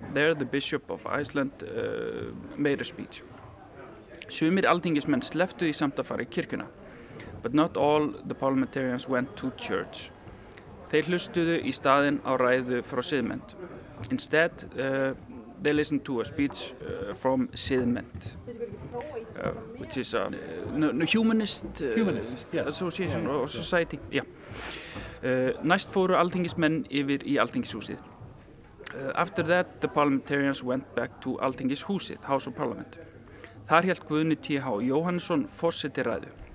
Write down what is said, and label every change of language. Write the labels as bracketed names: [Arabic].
[English] There, the bishop of Iceland made a speech. [Icelandic] Sumir ALþingismenn sleftu því samt að fara í kirkjuna. [English] But not all the parliamentarians went to church. [Icelandic] Þeir hlustuðu í staðinn á ræðu frá siðmennt. [English] Instead, they listened to a speech from siðmennt, which is a humanist yeah. association yeah. or society. Yeah. [Icelandic] Næst fóru ALþingismenn yfir í ALþingishúsið. [English] After that, the parliamentarians went back to ALþingishúsið, House of Parliament. [Icelandic] Þar hélt Guðni TH Jóhannesson forseti ræðu.